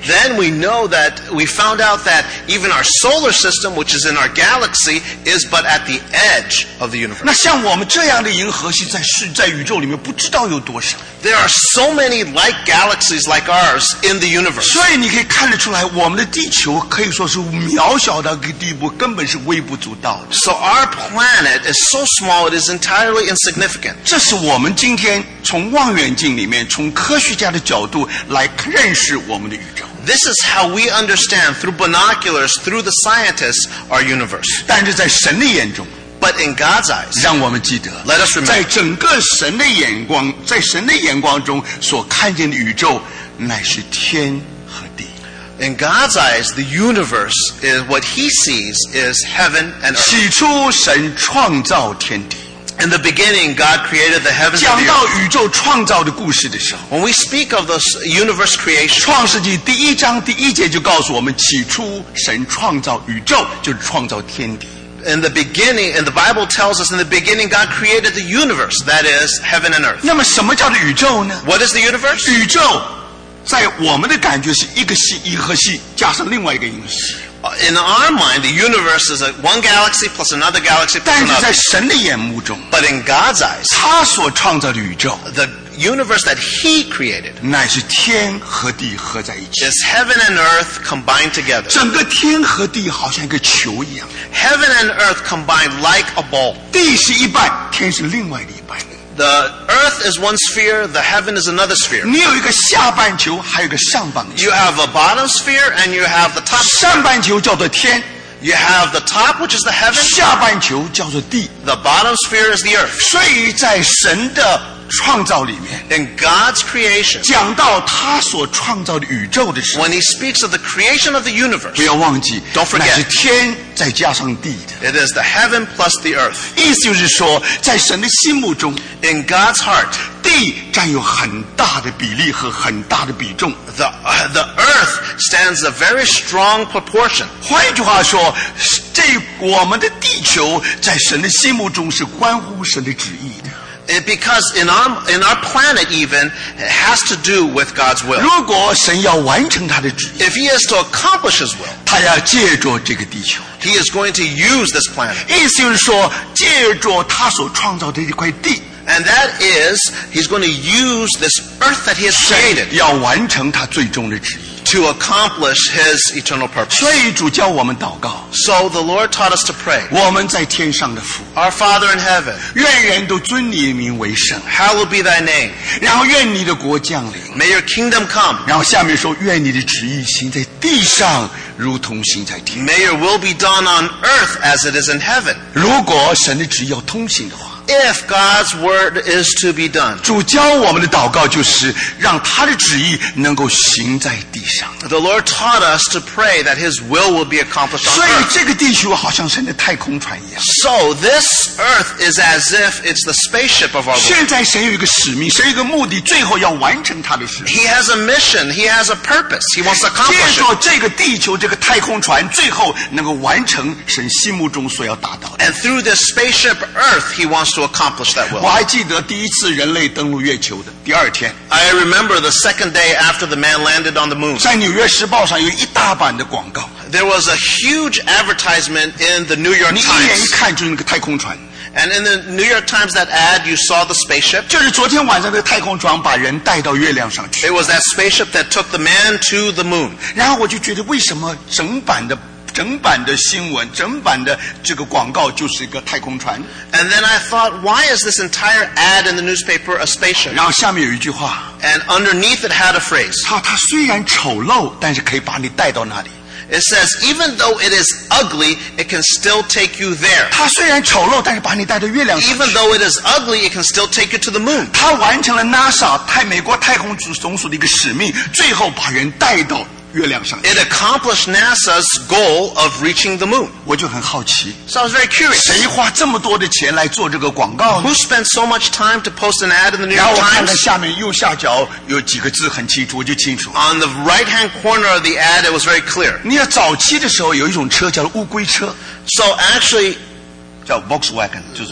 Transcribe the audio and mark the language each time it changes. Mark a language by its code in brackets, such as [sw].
[en] Then we know that we found out that even our solar system, which is in our galaxy, is but at the edge of the universe. [zh] 那像我们这样的银河系在宇宙里面不知道有多少。 [en] There are so many like galaxies like ours in the universe. [zh] 所以你可以看得出来我们的地球可以说是渺小到一个地步根本是微不足道的。 [en] So our planet is so small it is entirely insignificant. [zh] 这是我们今天从望远镜里面从科学家的角度来认识我们的宇宙。 [en] This is how we understand through binoculars, through the scientists, our universe. [zh] 但是在神的眼中 [en] But in God's eyes, [zh] 让我们记得 [en] Let us remember, [zh] 在整个神的眼光在神的眼光中所看见的宇宙乃是天和地 [en] In God's eyes, the universe is what he sees is heaven and earth. [zh] 起初神创造天地 [en] In the beginning, God created the heavens and the earth. [zh] 讲到宇宙创造的故事的时候 [en] When we speak of the universe creation, [zh] 创世纪第一章第一节就告诉我们起初神创造宇宙就是创造天地。 [en] In the beginning, and the Bible tells us in the beginning, God created the universe, that is, heaven and earth. [zh] 那么什么叫做宇宙呢 [en] What is the universe? [zh] 宇宙在我们的感觉是一个系一颗系加上另外一个银系。 [en] In our mind, the universe is one galaxy plus another galaxy plus another. [zh] 但是在神的眼目中 [en] But in God's eyes, [zh] 他所创造的宇宙 [en] the universe that he created, [zh] 乃是天和地合在一起 [en] is heaven and earth combined together. [zh] 整个天和地好像一个球一样 [en] Heaven and earth combined like a ball. [zh] 地是一半天是另外的一半 [en] The earth is one sphere, the heaven is another sphere. [zh] 你有一个下半球，还有一个上半球。 [en] You have a bottom sphere and you have the top. [zh] 上半球叫做天。 [en] You have the top, which is the heaven. [zh] 下半球叫做地。 [en] The bottom sphere is the earth. [zh] 所以在神的创造里面 [en] In God's creation, [zh] 讲到他所创造的宇宙的时候 [en] When he speaks of the creation of the universe, [zh] 不要忘记 [en] Don't forget, [zh] 乃是天再加上地的 [en] It is the heaven plus the earth. [zh] 意思就是说在神的心目中 [en] In God's heart, [zh] 地占有很大的比例和很大的比重 [en] the earth stands a very strong proportion. [zh] 换一句话说这我们的地球在神的心目中是关乎神的旨意的 [en] It, because in our planet even, it has to do with God's will. [zh] 如果神要完成他的旨意 [en] If he is to accomplish his will, [zh] 他要借着这个地球 [en] he is going to use this planet. [zh] 意思就是说借着他所创造的这块地 [en] And that is, he's going to use this earth that he has created. [zh] 神要完成他最终的旨意 [en] To accomplish his eternal purpose. [zh] 所以主教我们祷告 [en] So the Lord taught us to pray. [zh] 我们在天上的父 [en] Our Father in heaven. [zh] 愿人都尊你的名为圣 [en] Hallowed be thy name. [zh] 然后愿你的国降临 [en] May your kingdom come. [zh] 然后下面说愿你的旨意行在地上如同行在天 [en] May your will be done on earth as it is in heaven. [zh] 如果神的旨意要通行的话 [en] If God's word is to be done, [zh] 主教我们的祷告就是让他的旨意能够行在地上。 [en] The Lord taught us to pray that His will be accomplished on earth. [zh] 所以这个地球好像神的太空船一样。 [en] So this earth is as if it's the spaceship of our Lord. [zh] 现在神有一个使命，神有一个目的，最后要完成他的事。 [en] He has a mission. He has a purpose. He wants to accomplish. [zh] 借着这个地球，这个太空船，最后能够完成神心目中所要达到的。 [en] And through this spaceship Earth, He wants to accomplish that will. [zh] 我还记得第一次人类登陆月球的第二天。 [en] I remember the second day after the man landed on the moon. [zh] 在纽约时报上有一大版的广告。 [en] There was a huge advertisement in the New York Times. [zh] 你一眼一看就是那个太空船。 [en] And in the New York Times, that ad, you saw the spaceship. [zh] 就是昨天晚上的太空船把人带到月亮上去。 [en] It was that spaceship that took the man to the moon. [zh] 然后我就觉得为什么整版的新闻整版的这个广告就是一个太空船 [en] And then I thought Why is this entire ad in the newspaper a spaceship? [zh] 然后下面有一句话 [en] And underneath it had a phrase [zh] 它虽然丑陋但是可以把你带到那里 [en] It says Even though it is ugly It can still take you there [zh] 它虽然丑陋但是把你带到月亮上去 [en] Even though it is ugly It can still take you to the moon [zh] 它完成了 NASA 美国太空总署的一个使命最后把人带到 [en] It accomplished NASA's goal of reaching the moon. [zh] 我就很好奇 [en] So I was very curious. [zh] 谁花这么多的钱来做这个广告呢 [en] Who spent so much time to post an ad in the New York Times? [zh] 然后我看到下面右下角有几个字很清楚，我就清楚。 [en] On the right-hand corner of the ad, it was very clear. [zh] 你要早期的时候有一种车叫乌龟车。 [en] So actually... [zh] 叫 Volkswagen 就是